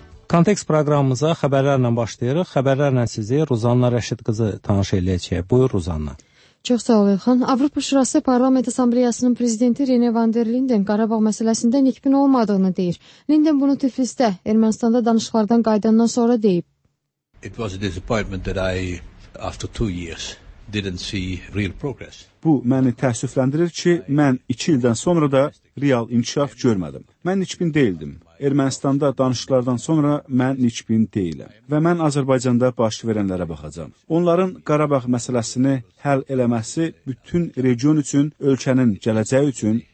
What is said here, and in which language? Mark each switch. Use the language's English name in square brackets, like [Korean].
[Azerbaijani] Kontekst proqramımıza xəbərlərlə başlayırıq. Xəbərlərlə sizi Ruzanna Rəşid qızı tanış eləyəcək. Buyur Ruzanna. Çox sağ ol Elxan. Avropa Şurası Parlament Assambleyasının prezidenti Rene Van der Linden Qarabağ məsələsində nikbin olmadığını deyir. Linden bunu Tiflisdə, Ermənistanda danışıqlardan qaydandan sonra deyib. [English] It was a disappointment that I, after 2 years, didn't see real progress. [Azerbaijani] Bu məni təəssüfləndirir ki, mən 2 ildən sonra da real inkişaf görmədim. Mən nikbin deyildim. Ermənistanda danışıqlardan sonra mən nikbin deyiləm. Və mən Azərbaycanda baş verənlərə baxacam. Onların Qarabağ məsələsini həll eləməsi bütün region üçün, ölkənin gələcəyi üçün